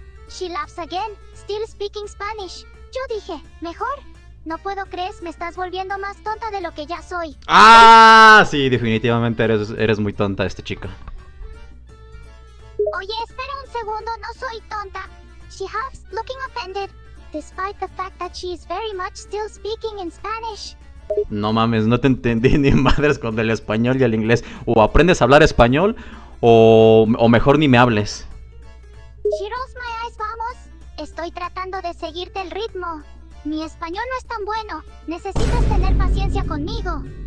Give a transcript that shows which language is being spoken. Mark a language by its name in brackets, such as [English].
[English] She laughs again, still speaking Spanish. [Spanish] Yo dije, mejor. No puedo creer, me estás volviendo más tonta de lo que ya soy. Ah, sí, definitivamente eres muy tonta, esta chica. Oye, espera un segundo, no soy tonta. [English] She huffs, looking offended, despite the fact that she is very much still speaking in Spanish. [Spanish] No mames, no te entendí ni madres con el español y el inglés. O aprendes a hablar español o mejor ni me hables. [English] She rolls my eyes, [Spanish] vamos. Estoy tratando de seguirte el ritmo. Mi español no es tan bueno. Necesitas tener paciencia conmigo.